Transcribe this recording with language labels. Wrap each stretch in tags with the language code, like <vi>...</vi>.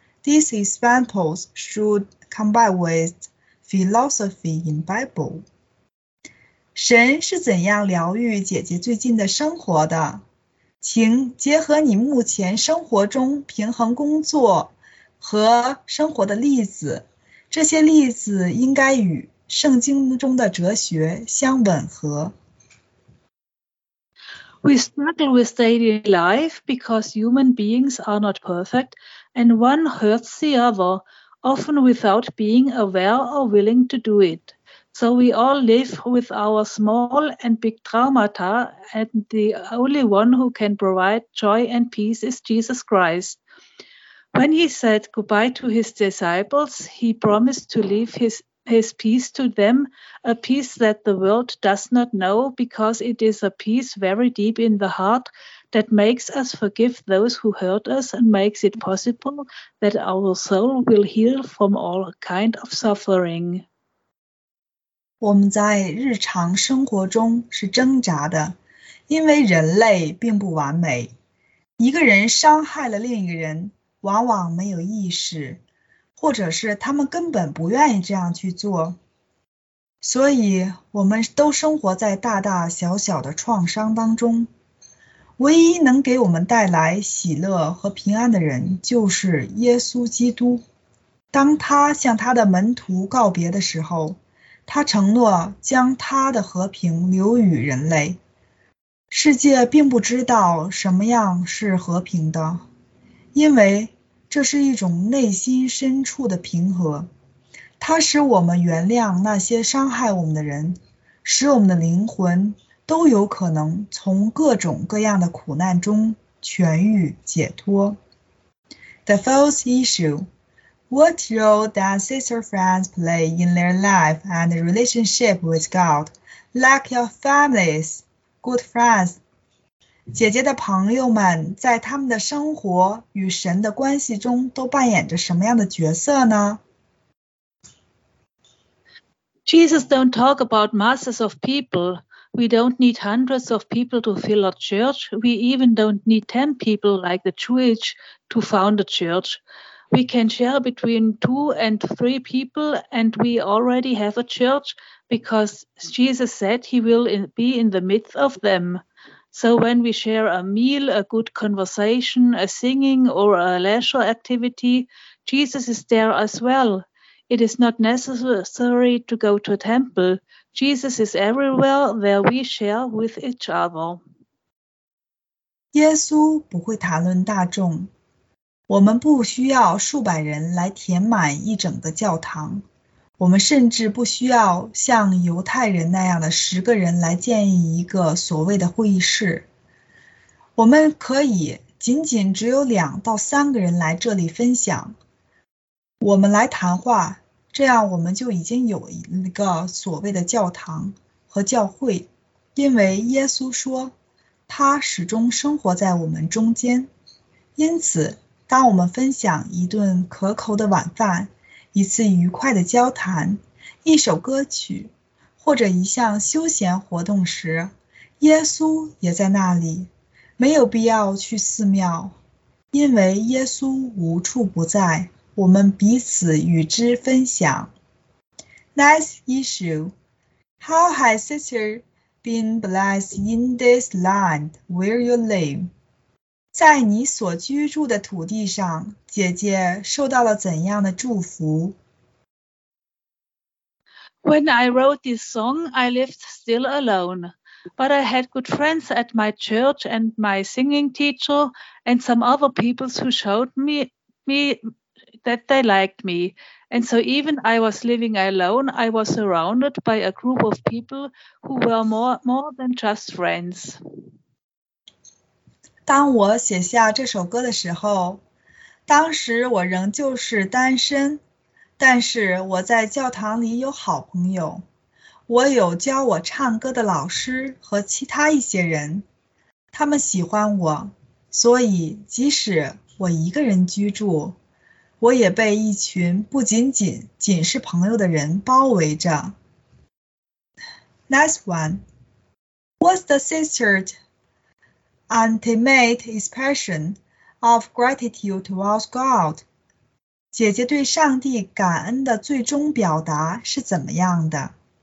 <en>These examples should combine with philosophy in Bible.</en> <zh>神是怎样疗愈姐姐最近的生活的？请结合你目前生活中平衡工作和生活的例子，这些例子应该与圣经中的哲学相吻合。</zh> <en>We struggle with daily life because human beings are not perfect and one hurts the other, often without being aware or willing to do it. So we all live with our small and big traumata, and the only one who can provide joy and peace is Jesus Christ. When he said goodbye to his disciples, he promised to leave his peace to them, a peace that the world does not know, because it is a peace very deep in the heart that makes us forgive those who hurt us and makes it possible that our soul will heal from all kind of suffering.</en> <zh>我们在日常生活中是挣扎的，因为人类并不完美。一个人伤害了另一个人，往往没有意识，或者是他们根本不愿意这样去做，所以我们都生活在大大小小的创伤当中。唯一能给我们带来喜乐和平安的人就是耶稣基督。当他向他的门徒告别的时候，他承诺将他的和平留与人类。世界并不知道什么样是和平的，因为这是一种内心深处的平和，它使我们原谅那些伤害我们的人，使我们的灵魂都有可能从各种各样的苦难中痊愈解脱。</zh> <en>The fourth issue, what role does Sister France play in their life and relationship with God, like your families, good friends?</en> <zh>姐姐的朋友们在他们的生活与神的关系中都扮演着什么样的角色呢？</zh> <en>Jesus don't talk about masses of people. We don't need hundreds of people to fill a church. We even don't need 10 people like the Jewish to found a church. We can share between 2 and 3 people and we already have a church because Jesus said he will be in the midst of them. So when we share a meal, a good conversation, a singing, or a leisure activity, Jesus is there as well. It is not necessary to go to a temple. Jesus is everywhere where we share with each other.</en> <zh>耶稣不会谈论大众。我们不需要数百人来填满一整个教堂。我们甚至不需要像犹太人那样的十个人来建议一个所谓的会议室。我们可以仅仅只有2到3个人来这里分享。我们来谈话，这样我们就已经有一个所谓的教堂和教会，因为耶稣说，他始终生活在我们中间。因此，当我们分享一顿可口的晚饭，一次愉快的交谈，一首歌曲，或者一项休闲活动时，耶稣也在那里。没有必要去寺庙，因为耶稣无处不在，我们彼此与之分享。</zh> <en>Next issue. How has Sister been blessed in this land where you live?</en> <zh>在你所居住的土地上，姐姐受到了怎样的祝福？</zh> <en>When I wrote this song, I lived still alone. But I had good friends at my church and my singing teacher and some other people who showed me that they liked me. And so even I was living alone, I was surrounded by a group of people who were more than just friends.</en> <zh>当我写下这首歌的时候，当时我仍旧是单身，但是我在教堂里有好朋友，我有教我唱歌的老师和其他一些人，他们喜欢我，所以即使我一个人居住，我也被一群不仅仅仅是朋友的人包围着。</zh> <en>Next one. What's the sister'sUltimate expression of gratitude towards God.</en> <zh>姐姐对上帝感恩的最终表达是怎么样的？</zh>